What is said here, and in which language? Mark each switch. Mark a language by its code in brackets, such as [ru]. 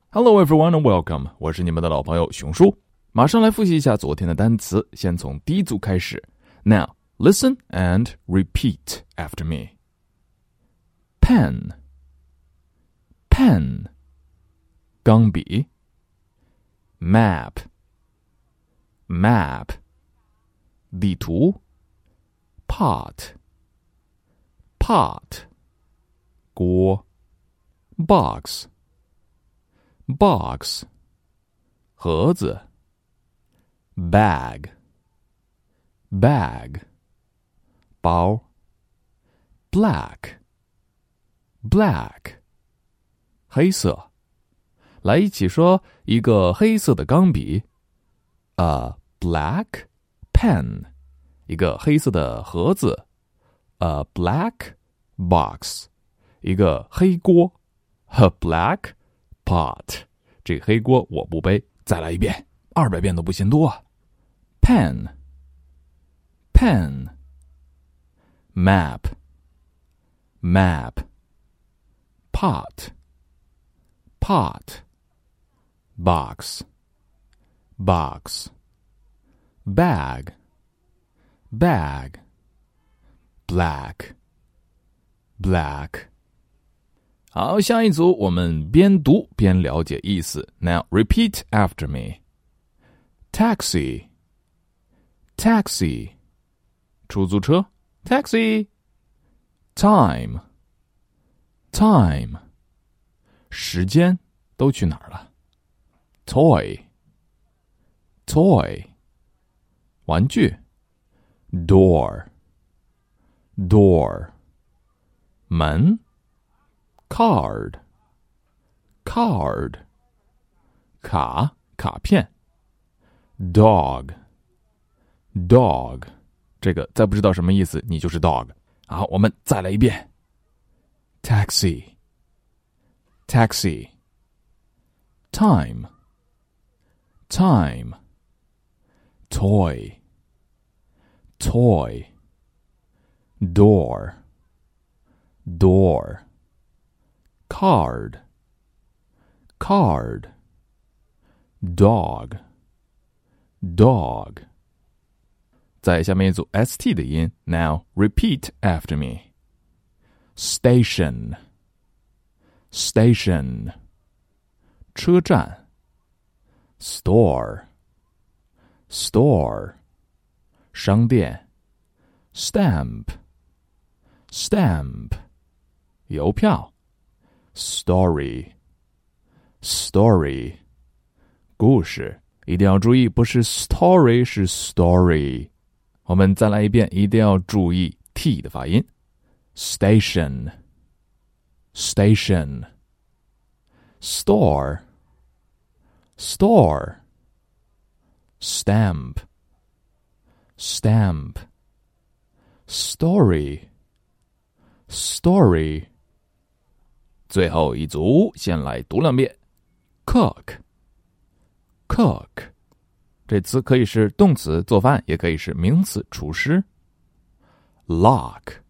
[en] Hello everyone and welcome, [zh] 我是你们的老朋友熊叔。马上来复习一下昨天的单词，先从第一组开始。 [en] Now, listen and repeat after me. Pen, pen, 钢笔。 Map, map, 地图。 Pot, pot, 锅。 Box,box, 盒子。 bag, bag, 包。 black, black, 黑色。 [zh] 来一起说一个黑色的钢笔。 [en] a black pen, [zh] 一个黑色的盒子。 [en] a black box, [zh] 一个黑锅。 [en] a black pot. [zh] 这黑锅我不背，再来一遍，200遍都不嫌多啊。 [en] Pen, pen, map, map, pot, pot, box, box, bag, bag, black, black. [zh] 好，下一组我们边读边了解意思。 [en] Now, repeat after me. Taxi, taxi, 出租车 taxi. [zh] Time, time, 时间都去哪儿了 toy, toy, 玩具 door, door, 门Card, card, 卡卡片 Dog, dog, 这个再不知道什么意思，你就是 dog。好，我们再来一遍 [en] Taxi, taxi, time, time, toy, toy, door, door. Card, card, dog, dog. [zh] 再下面一组 ST 的音 [en] Now repeat after me. Station, station, 车站 Store, store, 商店 Stamp, stamp, 邮票Story, story, 故事， [zh] 一定要注意，不是 story, [en] 是 story。 [zh] 我们再来一遍，一定要注意 T 的发音。 [en] Station, station, store, store, stamp, stamp, story, story, [zh] 最后一组先来读两遍 [en] cook cook [zh] 这词可以是动词做饭也可以是名词厨师 [en] lock